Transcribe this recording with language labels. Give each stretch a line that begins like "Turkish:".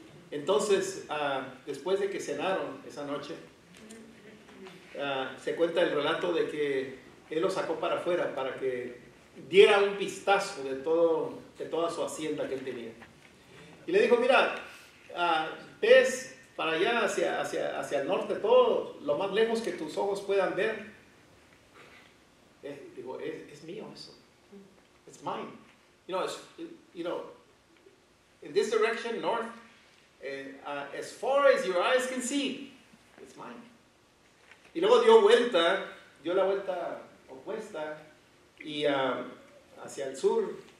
Spanish: Entonces, después de que cenaron esa noche, se cuenta el relato de que él lo sacó para afuera para que diera un vistazo de toda su hacienda que él tenía. Y le dijo, mira, ves para allá hacia el norte, todo lo más lejos que tus ojos puedan ver. Digo, es mío eso.
English: It's mine. You know, in this direction, north, as far as your eyes can see, it's mine.
Spanish: Y luego dio la vuelta opuesta y hacia el sur.